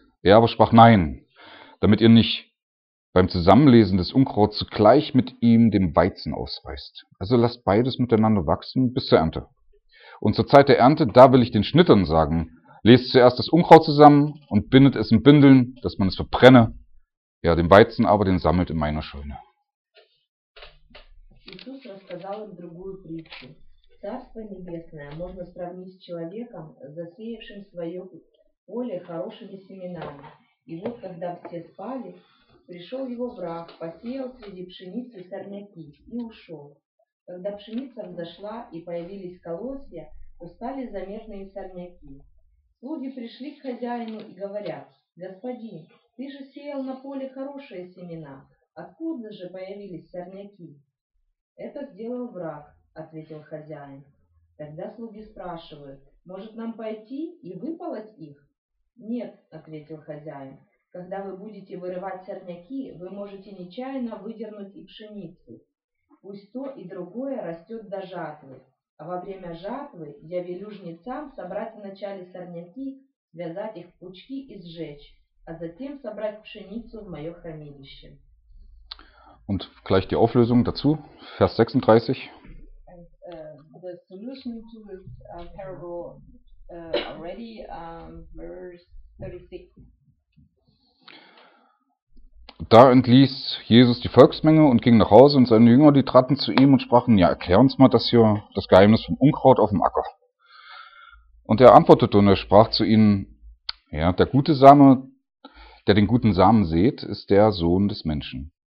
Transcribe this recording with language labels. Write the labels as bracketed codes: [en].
[de] Er aber sprach: Nein, damit ihr nicht beim Zusammenlesen des Unkrauts zugleich mit ihm dem Weizen ausreißt. Also lasst beides miteinander wachsen bis zur Ernte. Und zur Zeit der Ernte, da will ich den Schnittern sagen: Lest zuerst das Unkraut zusammen und bindet es in Bündeln, dass man es verbrenne. Ja, den Weizen aber, den sammelt in meiner Scheune. [ru] Иисус рассказал им другую притчу. Царство небесное можно сравнить с человеком, засеявшим свое поле хорошими семенами. И вот, когда все спали, пришел его враг, посеял среди пшеницы сорняки и ушел. Когда пшеница взошла и появились колосья, то стали заметные сорняки. Слуги пришли к хозяину и говорят: «Господин, ты же сеял на поле хорошие семена, откуда же появились сорняки?» «Это сделал враг», — ответил хозяин. Тогда слуги спрашивают: «Может нам пойти и выполоть их?» «Нет», — ответил хозяин. «Когда вы будете вырывать сорняки, вы можете нечаянно выдернуть и пшеницу. Пусть то и другое растет до жатвы. А во время жатвы я велю жнецам собрать вначале сорняки, связать их в пучки и сжечь, а затем собрать пшеницу в мое хранилище». [de] Und gleich die Auflösung dazu, Vers 36. [en] The solution to this parable already, verse 36. [de] Da entließ Jesus die Volksmenge und ging nach Hause, und seine Jünger, die traten zu ihm und sprachen: Ja, erklär uns mal das hier, das Geheimnis vom Unkraut auf dem Acker. Und er antwortete und er sprach zu ihnen: Ja, der gute Same, der den guten Samen sät, ist der Sohn des Menschen.